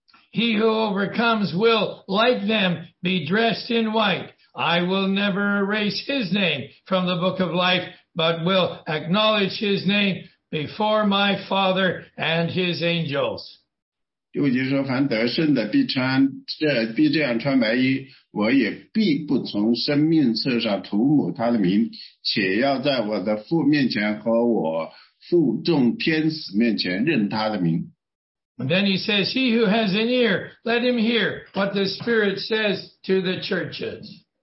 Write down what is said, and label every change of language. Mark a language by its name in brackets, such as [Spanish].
[English] He who overcomes will, like them, be dressed in white. I will never erase his name from the book of life, but will acknowledge his name before my Father and his angels. [Chinese] 第五节说,凡得胜的必穿这样穿白衣,我也必不从生命册上涂抹他的名,且要在我的父面前和我父众天使面前认他的名。 [English] Then he says, he who has an ear, let him hear what the Spirit says to the churches.